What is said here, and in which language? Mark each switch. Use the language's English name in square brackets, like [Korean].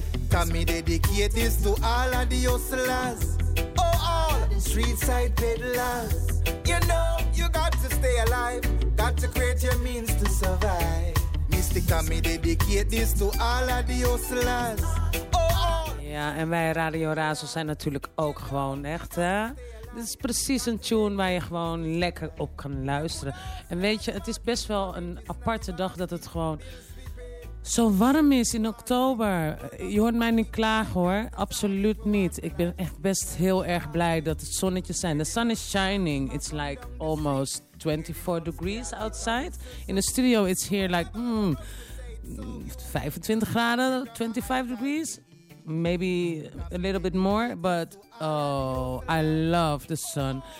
[English] Tommy dedicate this to all of the hustlers. Oh, all streetside peddlers. You know, you got to stay alive. Got to create your means to survive. Mystic Tommy dedicate this to all of the hustlers. Oh, all. [Dutch] Ja, en wij Radio Razo zijn natuurlijk ook gewoon echt, hè? Dit is precies een tune waar je gewoon lekker op kan luisteren. En weet je, het is best wel een aparte dag dat het gewoon zo warm is in oktober. Je hoort mij niet klagen hoor, absoluut niet. Ik ben echt best heel erg blij dat het zonnetjes zijn. [English] The sun is shining, it's like almost 24 degrees outside. [Dutch] In de studio [English] it's here like 25 [Dutch] graden, [English] 25 degrees. Maybe a little bit more, but oh, I love the sun.